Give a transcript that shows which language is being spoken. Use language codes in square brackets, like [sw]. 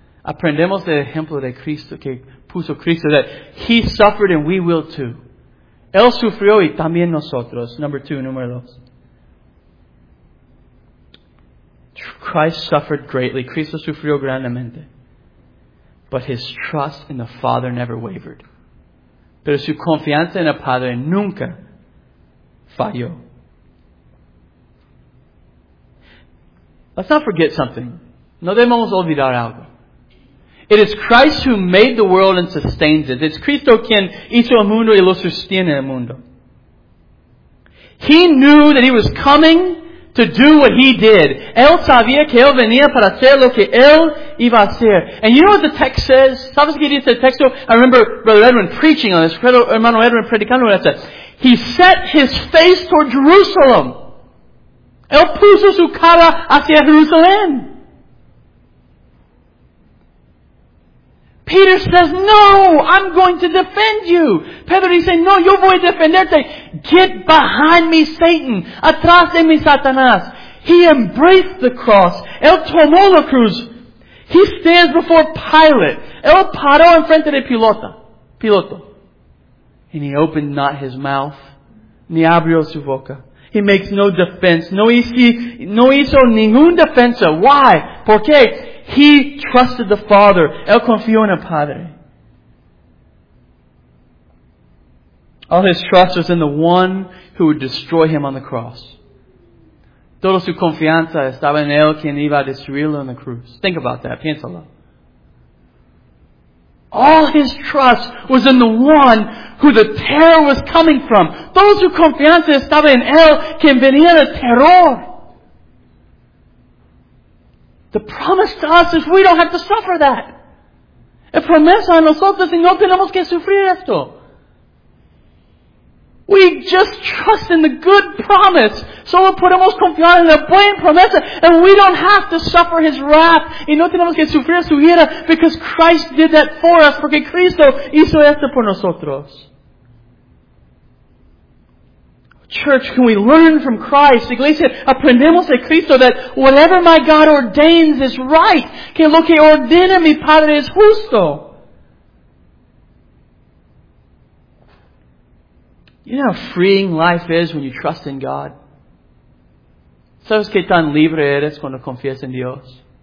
[es] Aprendemos del ejemplo de Cristo que puso Cristo, [en] that He suffered and we will too. [es] Él sufrió y también nosotros. [en] Number two, [es] número dos. [en] Christ suffered greatly. [es] Cristo sufrió grandemente. [en] But His trust in the Father never wavered. [es] Pero su confianza en el Padre nunca falló. [en] Let's not forget something. [es] No debemos olvidar algo. [en] It is Christ who made the world and sustains it. It's [es] Cristo quien hizo el mundo y lo sostiene el mundo. [en] He knew that He was coming to do what He did. [es] Él sabía que Él venía para hacer lo que Él iba a hacer. [en] And you know what the text says? [es] ¿Sabes qué dice el texto? [en] I remember Brother Edwin preaching on this. [es] Hermano Edwin predicando [en] on this. He set His face toward Jerusalem. [es] Él puso su cara hacia Jerusalén. [en] Peter says, no, I'm going to defend you. [es] Pedro dice, no, yo voy a defenderte. [en] Get behind me, Satan. [es] Atrás de mí, Satanás. [en] He embraced the cross. [es] Él tomó la cruz. [en] He stands before Pilate. [es] Él paró en frente de Piloto. [en] And he opened not his mouth, [es] ni abrió su boca. [en] He makes no defense. [es] No hizo ningún defensa. [en] Why? [es] ¿Por qué? [en] He trusted the Father. [es] Él confió en el Padre. [en] All his trust was in the one who would destroy him on the cross. [es] Toda su confianza estaba en él quien iba a destruirlo en la cruz. [en] Think about that. [es] Piénsalo. [en] All his trust was in the one who the terror was coming from. [es] Toda su confianza estaba en él quien venía de terror. [en] The promise to us is we don't have to suffer that. [es] El promesa a nosotros y no tenemos que sufrir esto. [en] We just trust in the good promise. [es] Solo podemos confiar en la buena promesa. [en] And we don't have to suffer His wrath. [es] Y no tenemos que sufrir su ira [en] because Christ did that for us. [es] Porque Cristo hizo esto por nosotros. [en] Church, can we learn from Christ? [es] Iglesia, aprendemos de Cristo [en] that whatever my God ordains is right. [es] Que lo que ordena mi Padre es justo. [en] You know how freeing life is when you trust in God? [es] ¿Sabes qué tan libre eres cuando confías en Dios?